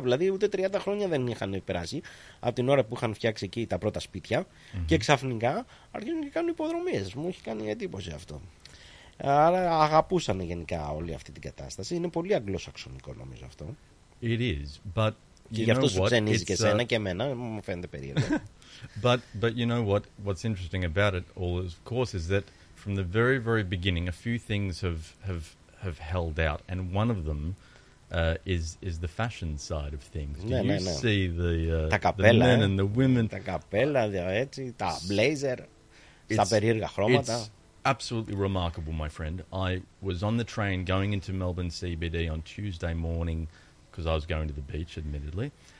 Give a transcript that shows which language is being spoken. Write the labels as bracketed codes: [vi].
[el] Δηλαδή ούτε 30 χρόνια δεν είχαν περάσει από την ώρα που είχαν φτιάξει εκεί τα πρώτα σπίτια mm-hmm. και ξαφνικά αρχίζουν και κάνουν υποδρομίες. Μου έχει κάνει εντύπωση αυτό. Άρα αγαπούσαν γενικά όλη αυτή την κατάσταση. Είναι πολύ αγγλοσαξονικό νομίζω αυτό. [en] It is, but [el] και γι' αυτό σου ξενίζει και εσένα και εμένα, μου φαίνεται περίεργο. [en] But you know what, what's interesting about it all is, of course, is that from the very, very beginning, a few things have held out, and one of them is the fashion side of things. Do you see [el] τα καπέλα, [en] the men and the women? [el] Τα καπέλα, έτσι, τα blazer, τα περίεργα χρώματα. [en] It's absolutely remarkable, my friend. I was on the train going into Melbourne CBD on Tuesday morning because I was going to the beach, admittedly.